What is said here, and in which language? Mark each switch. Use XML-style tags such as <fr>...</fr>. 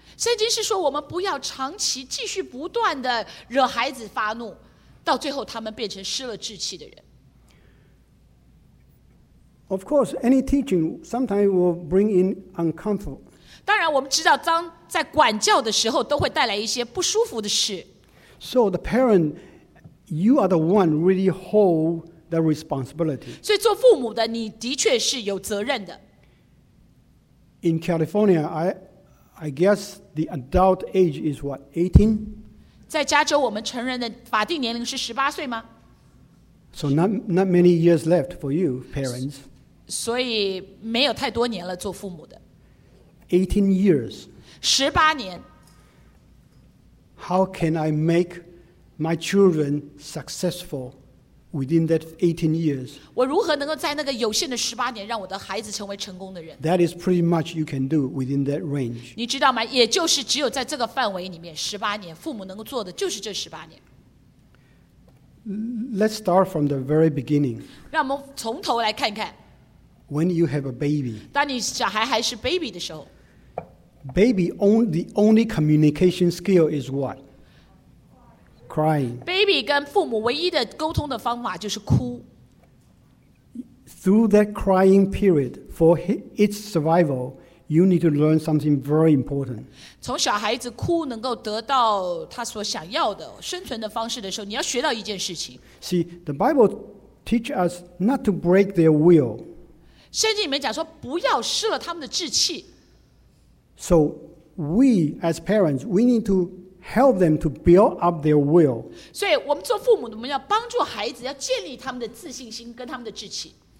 <zh>圣经是说我们不要长期继续不断地惹孩子发怒，到最后他们变成失了志气的人。</zh> <en>Of course, any teaching sometimes will bring in uncomfort.</en> <zh>当然我们知道当在管教的时候都会带来一些不舒服的事。</zh> <en>So the parent, you are the one really hold the responsibility.</en> <zh>所以做父母的你的确是有责任的。</zh> <en>In California, I guess the adult age is what, 18?</en> <zh>在加州我们成人的法定年龄是18岁吗？</zh> <en>So not many years left for you, parents.</en> <zh>所以没有太多年了做父母的。</zh> <en>18 years.</en> <zh>18年.</zh> <en>How can I make my children successful within that 18 years?</en> <zh>我如何能够在那个有限的18年让我的孩子成为成功的人?</zh> <en>That is pretty much you can do within that range.</en> <zh>你知道吗? 也就是只有在这个范围里面18年,父母能够做的就是这18年。</zh> <en>Let's start from the very beginning.</en> <zh>让我们从头来看看。</zh> <en>When you have a baby.</en> <zh>当你小孩还是 baby 的时候。</zh> <en>Baby, the only communication skill is what? Crying.</en> <zh>Baby 跟父母唯一的沟通的方法就是哭。</zh> <en>Through that crying period, for its survival, you need to learn something very important.</en> <zh>从小孩子哭能够得到他所想要的生存的方式的时候，你要学到一件事情。</zh> <en>See, the Bible teaches us not to break their will.</en> <zh>圣经里面讲说，不要失了他们的志气。</zh> <en>So we as parents, we need to help them to build up their will.</en> <zh>所以我们做父母的，我们要帮助孩子，要建立他们的自信心跟他们的志气。</zh>